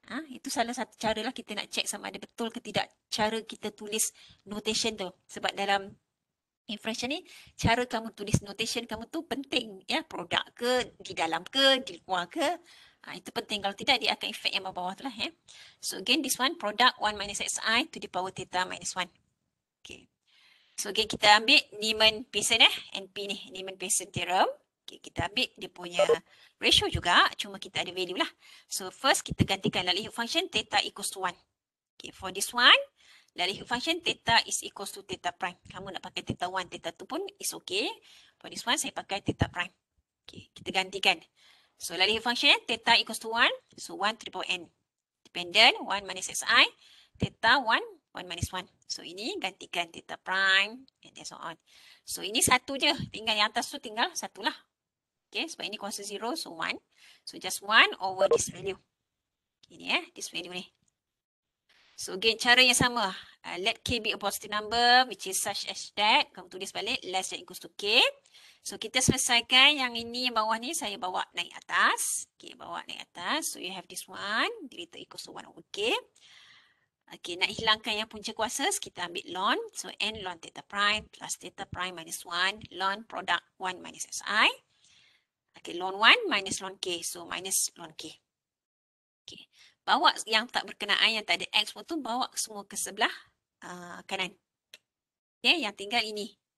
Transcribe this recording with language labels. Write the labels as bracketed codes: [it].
[ms] Itu salah satu cara lah kita nak check sama ada betul ke tidak cara kita tulis notation tu. Sebab dalam inferential ni, cara kamu tulis notation kamu tu penting ya. Produk ke, di dalam ke, di luar ke. Itu penting. Kalau tidak, dia akan efek yang bawah-bawah tu lah ya. [en] So again, this one, product 1 minus xi to the power theta minus 1. Okay. So again, [ms] kita ambil Neiman-Pearson eh. NP ni, Neiman-Pearson theorem. Okay, kita ambil dia punya ratio juga, cuma kita ada value lah. [en] So first [ms] kita gantikan [en] likelihood function theta equals to 1. Okay, for this one, likelihood function theta is equals to theta prime. [ms] Kamu nak pakai theta 1, theta 2 pun [en] is okay. For this one, [ms] saya pakai theta prime. Okay, kita gantikan. [en] So likelihood function theta equals to 1. So 1 to the power n. Dependent 1 minus xi, theta 1 minus 1. [ms] So ini gantikan theta prime [en] and so on. [ms] So ini satu je. Tinggal yang atas tu tinggal satu lah. [en] Okay, [ms] sebab ini [en] constant 0, so 1. So just 1 over this value. Ini eh, this value ni. So again, [ms] cara yang sama. [en] Let k be a positive number which is such as that. [ms] Kamu tulis balik, less than equals to k. So kita selesaikan yang ini, yang bawah ni saya bawa naik atas. Okay, bawa naik atas. [en] So you have this one, delta equals to 1 over k. Okay, [ms] nak hilangkan yang punca kuasa, kita ambil [en] ln. So n ln theta prime plus theta prime minus 1 ln product 1 minus xi. [ms] Okay, ln 1 minus ln k. So minus ln k. Okay, bawa yang tak berkenaan, yang tak ada x pun tu, bawa semua ke sebelah kanan. Okay, yang tinggal ini.